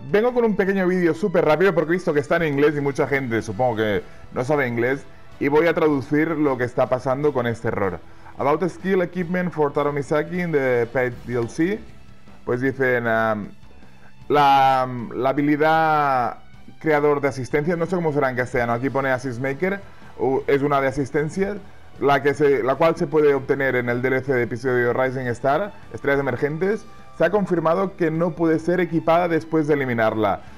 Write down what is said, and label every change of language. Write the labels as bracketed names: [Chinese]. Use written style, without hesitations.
[Spanish] Vengo con un pequeño vídeo súper rápido porque he visto que está en inglés y mucha gente supongo que no sabe inglés. Y voy a traducir lo que está pasando con este error. [English] About the skill equipment for Taro Misaki in the paid DLC. [Spanish] Pues dicen la habilidad creador de asistencia. No sé cómo será en castellano. Aquí pone Assist Maker. Es una de asistencia. La cual se puede obtener en el DLC de episodio Rising Star, Estrellas Emergentes. Se ha confirmado que no puede ser equipada después de eliminarla.